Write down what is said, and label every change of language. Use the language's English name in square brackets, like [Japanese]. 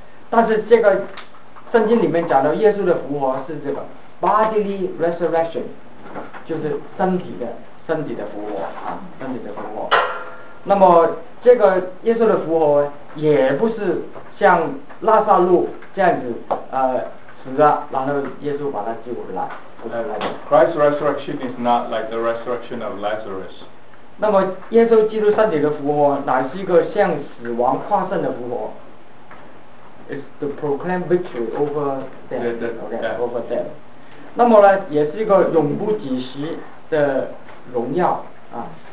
[Chinese] 但是这个圣经里面讲到耶稣的复活是这个 bodily resurrection, 就是身体的复活。那么这个耶稣的复活也不是像拉撒路这样子死了然后耶稣把他救回来。 [English] Christ's resurrection is not like the resurrection of Lazarus. [Chinese] 那么耶稣基督身体的复活乃是一个向死亡跨胜的复活。 [English] Is to proclaim victory over death. Okay, over death. [Chinese] 那么呢，也是一个永不止息的荣耀啊。